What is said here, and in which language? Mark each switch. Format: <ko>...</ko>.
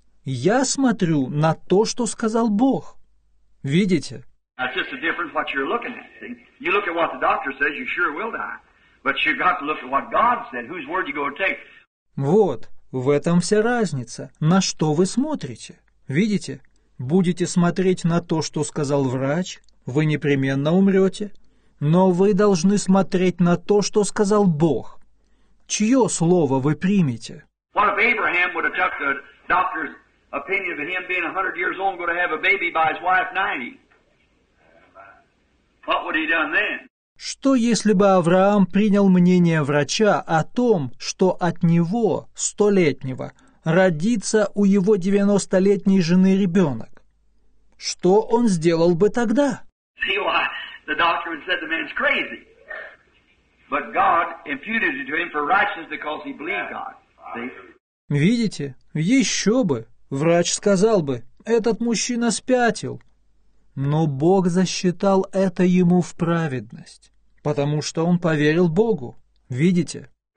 <ru>Я смотрю на то, что сказал Бог. Видите?</ru> <en>That's just the difference what you're looking at. See? You look at what the doctor says, you sure will die. But you've got to look at what God said, whose word you go to take.</en> <ru>Вот, в этом вся разница. На что вы смотрите? Видите? Будете смотреть на то, что сказал врач, вы непременно умрете. Но вы должны смотреть на то, что сказал Бог. Чье слово вы примете?</ru> <en>What if Abraham would have took the doctor's opinion of him being 100 years old and going to have a baby by his wife 90? What would he done then?</en> <ru>Что если бы Авраам принял мнение врача о том, что от него, столетнего, родится у его 90-летней жены ребенок? Что он сделал бы тогда?</ru> <en>See why the doctor said the man's crazy. But God imputed it to him for righteousness because he believed God. See?</en> <ru>Видите? Еще бы! Врач сказал бы, этот мужчина спятил. Но Бог засчитал это ему в праведность, потому что он поверил Богу. Видите?</ru>